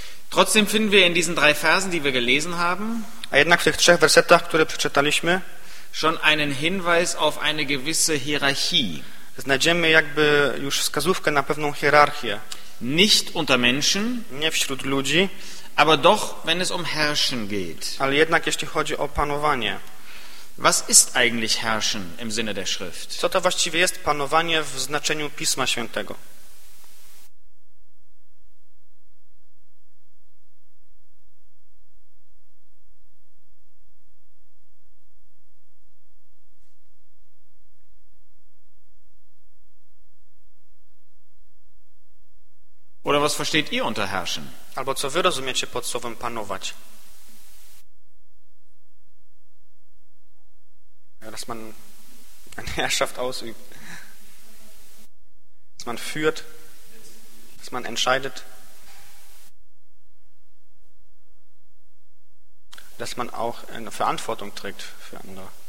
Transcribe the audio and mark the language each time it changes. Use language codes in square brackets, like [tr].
[de] Trotzdem finden wir in diesen drei Versen, die wir gelesen haben, [pl] a jednak w tych trzech wersetach, które przeczytaliśmy, [de] schon einen Hinweis auf eine gewisse Hierarchie. [pl] Znajdziemy jakby już wskazówkę na pewną hierarchię. [de] Nicht unter Menschen, [pl] nie wśród ludzi, [de] aber doch, wenn es um Herrschen geht. [pl] Ale jednak jeśli chodzi o panowanie. [de] Was ist eigentlich Herrschen im Sinne der Schrift? [pl] Co to właściwie jest panowanie w znaczeniu Pisma Świętego? [de] Oder was versteht ihr unter herrschen? [pl] Albo co wy rozumiecie pod słowem panować? [de] Dass man eine Herrschaft ausübt. Dass man führt. Dass man entscheidet. Dass man auch eine Verantwortung trägt für andere.